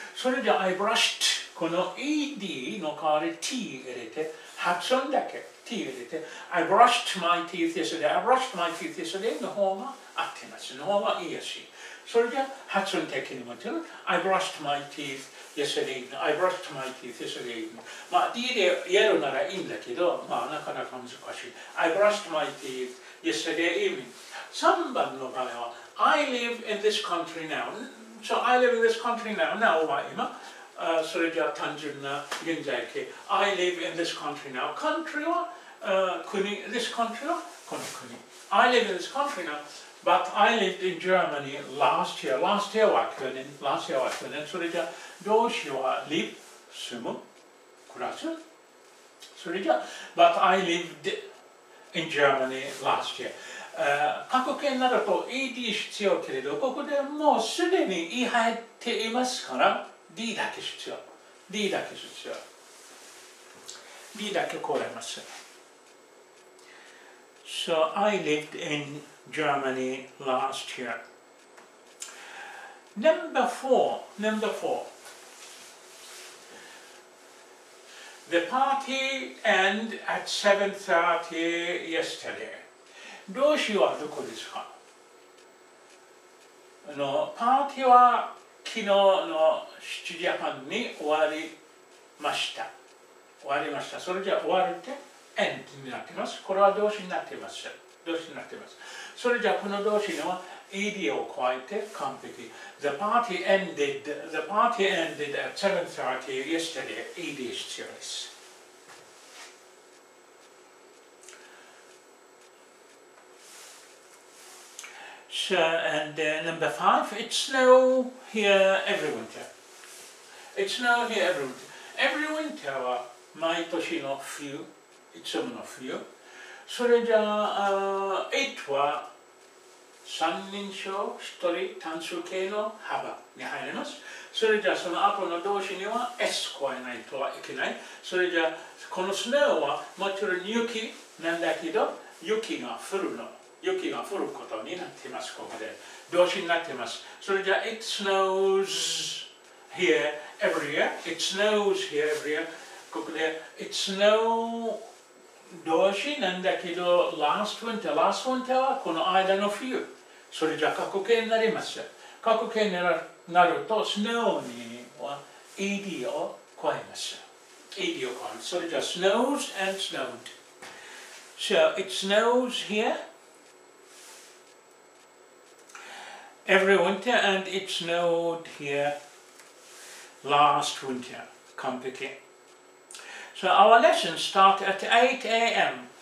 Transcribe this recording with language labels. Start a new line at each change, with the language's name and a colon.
Japanese: それじゃ、I brushed この ED の代わり T 入れて、発音だけ T 入れて、
English: I brushed my teeth yesterday,
Japanese: I brushed my teeth yesterday の方が合ってます。の方が言いやすい。それじゃ、発音的にもちろん、
English: I brushed my teeth yesterday, I brushed my teeth yesterday.
Japanese: まあ、D でやるならいいんだけど、まあ、なかなか難しい。
English: I brushed my teeth yesterday evening.
Japanese: 3番の場合は、
English: I live in this country now. So I live in this country now.
Japanese: Now は今、それじゃ単純な現在形。
English: I live in this country now.
Japanese: Country は、国。 This country はこの国。
English: I live in this country now. But I lived in Germany last year.
Japanese: Last year は去年。 Last year は去年。それじゃ動詞は live 住む暮らす。それじゃ
English: But I lived in Germany last year.
Japanese: 過去形になると ED 必要けれど、ここでもうすでに E 入っていますから D だけ必要。 D だけ必要。D だけ超えます。
English: So I lived in Germany last year. Number four. The party ended at 7:30 yesterday.
Japanese: 動詞はどこですか？パーティーは昨日の7時半に終わりました。終わりました。それじゃ終わるって end になっています。これは動詞になっています。動詞になっています。それじゃこの動詞には ed を加えて完璧。
English: The party ended at 7:30 yesterday.
Japanese: ed 必要です。
English: So, and number five, it snow here every winter. It snow here every winter.
Japanese: Every winter は毎年の冬、いつもの冬。それじゃあ、it は三人称一人単数形の幅に入ります。それじゃあその後の動詞には s 加えないとはいけない。それじゃあこの snow はもちろん雪なんだけど、雪が降るの。雪が降ることになっています、ここで。動詞になっています。それじゃあ、
English: It snows here every year. It snows here every year.
Japanese: ここで It's no 動詞なんだけど Last winter Last winter はこの間の冬それじゃ過去形になります過去形になると Snow には ED を加えます ED を加えますそれじゃ Snows and snowed
English: So it snows hereEvery winter and it snowed here last winter.
Japanese: 完璧.
English: So our lessons start at 8 a.m.